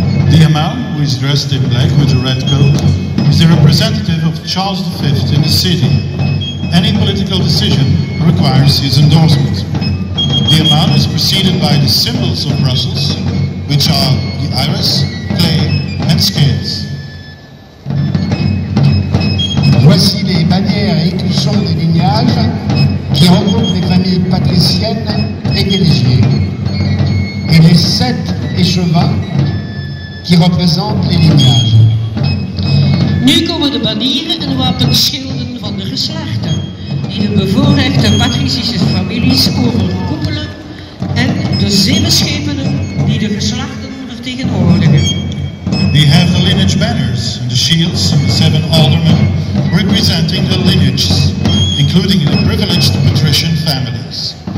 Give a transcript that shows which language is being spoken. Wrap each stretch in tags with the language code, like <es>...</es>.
<en>De Amal, who is dressed in black with a red coat, is the representative of Charles V in the city. Any political decision requires his endorsement. De Amal is preceded by the symbols of Brussels, which are the iris, clay and scales.</en> <fr>Voici les bannières et écussons des lignages qui regroupent les familles patriciennes et guerrières. Et les sept échevins qui représentent les lignages.</fr> <nl>Nu komen de banieren en wapenschilden van de geslachten, die de bevoorrechte patricische families overkoepelen en de zeeschepen die de geslachten vertegenwoordigen.</nl> <en>We have the lineage banners and the shields and the seven aldermen representing the lineages, including the privileged patrician families.</en>